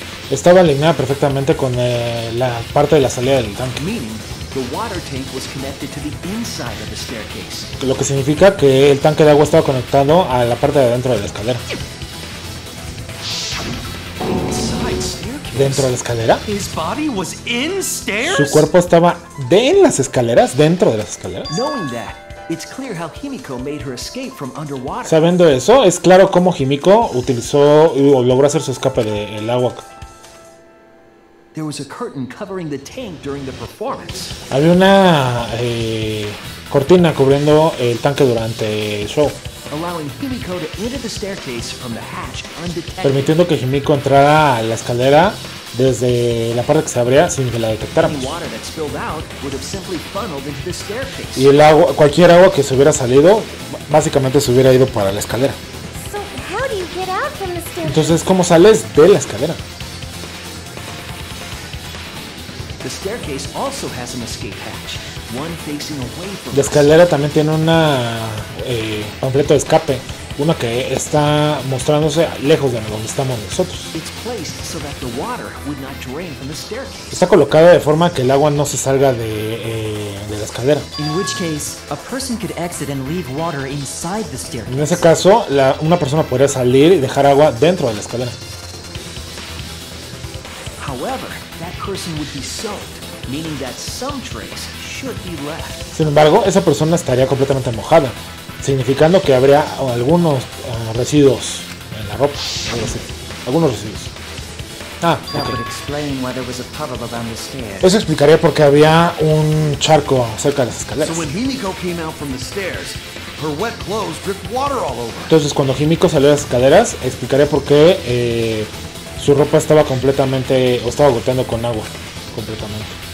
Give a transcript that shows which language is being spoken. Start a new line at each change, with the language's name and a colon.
Spanish: Estaba alineada perfectamente con la parte de la salida del tanque.
English: The water tank was connected to the inside of the staircase.
Spanish: Lo que significa que el tanque de agua estaba conectado a la parte de adentro de la escalera. ¿Dentro de la escalera?
English: His body was in stairs?
Spanish: ¿Su cuerpo estaba de en las escaleras? ¿Dentro de las escaleras?
English: Knowing that, it's clear how Himiko made her escape from underwater.
Spanish: Sabiendo eso, es claro cómo Himiko utilizó o logró hacer su escape de el agua.
English: There was a curtain covering the tank during the performance.
Spanish: Había una cortina cubriendo el tanque durante el show.
English: Allowing Himiko to enter the staircase from the hatch undetected.
Spanish: Permitiendo que Himiko entrara a la escalera desde la parte que se abría sin que la detectáramos.
English: The water that spilled out would have simply funneled into the staircase.
Spanish: Y el agua, cualquier agua que se hubiera salido, básicamente se hubiera ido para la escalera.
English: So how do you get out from the staircase?
Spanish: Entonces, ¿cómo sales de la escalera?
English: The staircase also has an escape hatch, one facing away from.
Spanish: La escalera también tiene una panfleto de escape, uno que está mostrándose lejos de donde estamos nosotros.
English: It's placed so that the water would not drain from the staircase.
Spanish: Está colocada de forma que el agua no se salga de la escalera.
English: In which case, a person could exit and leave water inside the staircase.
Spanish: En ese caso, una persona podría salir y dejar agua dentro de la escalera.
English: However, that person would be soaked, meaning that some trace should be left.
Spanish: Sin embargo, esa persona estaría completamente mojada, significando que habría algunos residuos en la ropa, algo así. Algunos residuos. Ah, okay. Eso explicaría por qué había un charco cerca de las escaleras.
English: So when Himiko came out from the stairs, her wet clothes dripped water all over.
Spanish: Entonces, cuando Himiko salió de las escaleras, explicaría por qué su ropa estaba completamente, o estaba goteando con agua, completamente.